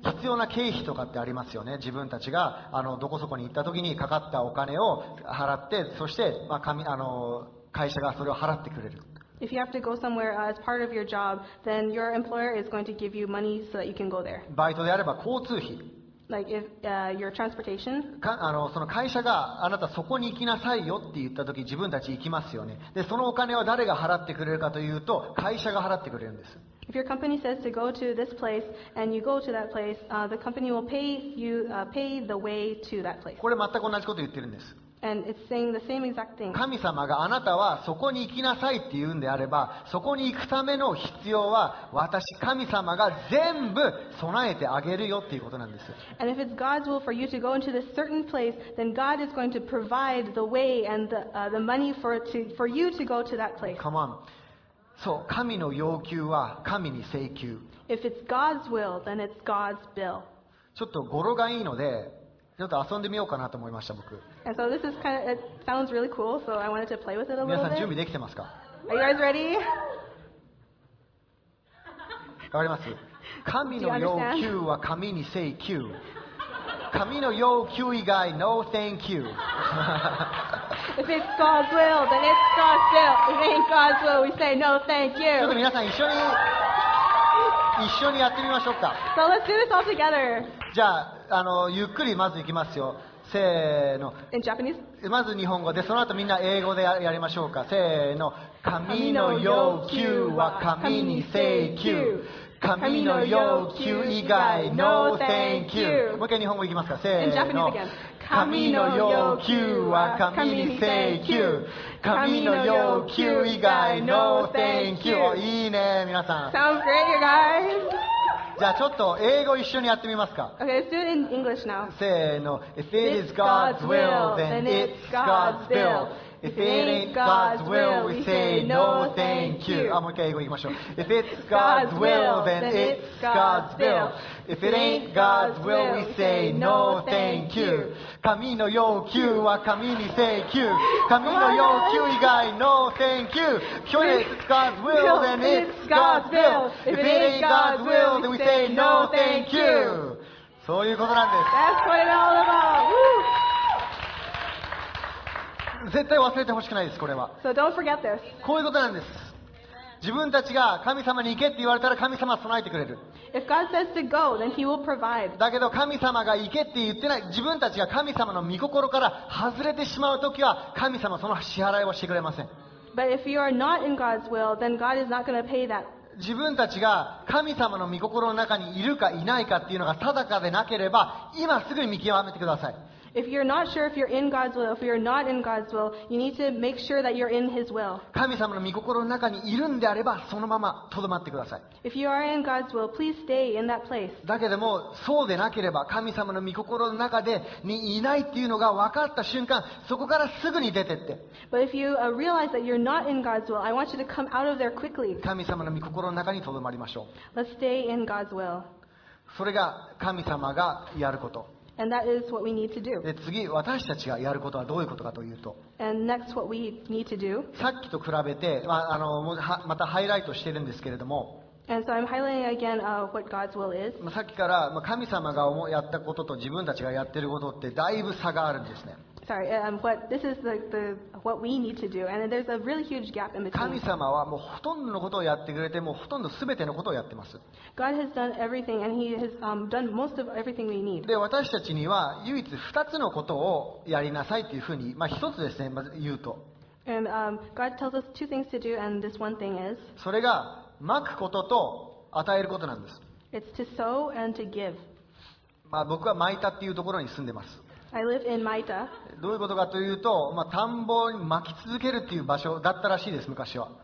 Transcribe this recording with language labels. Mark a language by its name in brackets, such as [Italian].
[Japanese] 必要な経費とかってありますよね。自分たちがどこそこに行った時にかかったお金を払って、そして、会社がそれを払ってくれる。 [English] If you have to go somewhere as part of your job, then your employer is going to give you money so that you can go there. [Japanese] バイトであれば交通費。 [English] Like if your transportation. [Japanese] その会社があなたそこに行きなさいよって言った時、自分たち行きますよね。で、そのお金は誰が払ってくれるかというと、会社が払ってくれるんです。 [English] If your company says to go to this place and you go to that place, the company will pay you, pay the way to that place. [Japanese] これ全く同じこと言ってるんです。 [English] And it's saying the same exact thing. [Japanese] 神様があなたはそこに行きなさいって言うんであれば、そこに行くための必要は私、神様が全部備えてあげるよっていうことなんです。 [English] And if it's God's will for you to go into this certain place, then God is going to provide the way and the money for you to go to that place. Come on. [Japanese] そう、神の要求は神に請求。 [English] If it's God's will, then it's God's bill. [Japanese] ちょっと語呂がいいので、ちょっと遊んでみようかなと思いました、僕。 [English] And so this is kind of, it sounds really cool, so I wanted to play with it a little bit. [Japanese] 皆さん準備できてますか？ [English] Are you guys ready? [Japanese] 分かります。神の要求は神に請求。神の要求以外、 [English] No thank you. If it's God's will, then it's God's will. If it ain't God's will, we say no thank you. [Japanese] ちょっと皆さん一緒にやってみましょうか。 [English] So let's do this all together. [Japanese] じゃあ、ゆっくりまずいきますよ。せーの。 [English] In Japanese? [Japanese] まず日本語で、その後みんな英語でやりましょうか。せーの。神の要求は神に請求。神の要求以外 [English] No thank you。 [Japanese] もう一回日本語いきますか。せーの。神の要求は神に請求。神の要求以外 [English] No thank you。 [Japanese] いいね皆さん。 [English] Sounds great you guys。 [Japanese] じゃあちょっと英語一緒にやってみますか。 [English] Okay, let's do it in English now。せーの。If it is God's will, then it's God's bill。 If it ain't God's will, we say no thank you. [Japanese] あ、もう一回英語行きましょう。 [English] If it's God's will, then it's God's bill. If it ain't God's will, we say no thank you. [Japanese] 神の要求は神に請求。神の要求以外 [English] no thank you. If it's God's will, then it's God's bill. If it ain't God's will, then we say no thank you. [Japanese] そういうことなんです。 [English] That's what it's all about. Woo! [Japanese] 絶対忘れてほしくないです、これは。 [English] So don't forget this. [Japanese] こういうことなんです。自分たちが神様に行けって言われたら神様は備えてくれる。 [English] If God says to go, then he will provide. [Japanese] だけど神様が行けって言ってない、自分たちが神様の御心から外れてしまうときは神様はその支払いをしてくれません。 [English] But if you are not in God's will, then God is not going to pay that. [Japanese] 自分たちが神様の御心の中にいるかいないかっていうのが定かでなければ、今すぐに見極めてください。 [English] If you're not sure if you're in God's will, if you're not in God's will, you need to make sure that you're in His will. [Japanese] 神様の御心の中にいるんであれば、そのままとどまってください。 [English] If you are in God's will, please stay in that place. [Japanese] だけども、そうでなければ、神様の御心の中でにいないっていうのが分かった瞬間、そこからすぐに出てって。 [English] But if you realize that you're not in God's will, I want you to come out of there quickly. [Japanese] 神様の御心の中に留まりましょう。 [English] Let's stay in God's will. [Japanese] それが神様がやること。 [English] And that is what we need to do. [Japanese] で次、私たちがやることはどういうことかというと。 [English] And next, what we need to do. [Japanese] さっきと比べて、またハイライトしてるんですけれども。 [English] And so I'm highlighting again what God's will is. [Japanese] さっきから、神様がやったことと自分たちがやってることってだいぶ差があるんですね。 [English] Sorry, this is the what we need to do, and there's a really huge gap in between. [Japanese] 神様はもうほとんどのことをやってくれて、もうほとんどすべてのことをやってます。 [English] God has done everything, and He has done most of everything we need. [Japanese] で、私たちには唯一二つのことをやりなさいというふうに、一つですね、まず言うと。 [English] And God tells us two things to do, and this one thing is. [Japanese] それがまくことと与えることなんです。 [English] It's to sow and to give. [Japanese] 僕はマイタっていうところに住んでます。 [English] I live in Maita. [Japanese] どういうことかというと、田んぼに巻き続けるっていう場所だったらしいです、昔は。